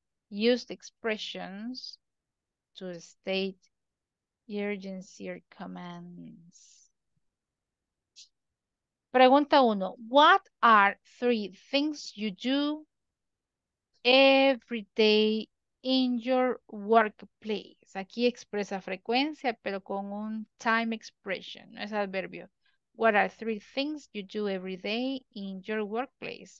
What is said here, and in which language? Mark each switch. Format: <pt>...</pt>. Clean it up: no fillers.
<en>Use the expressions to state urgency or commands.</en> <es>Pregunta uno,</es> <en>what are three things you do every day in your workplace?</en> <es>Aquí expresa frecuencia, pero con un time expression, no es adverbio.</es> <en>What are three things you do every day in your workplace?</en>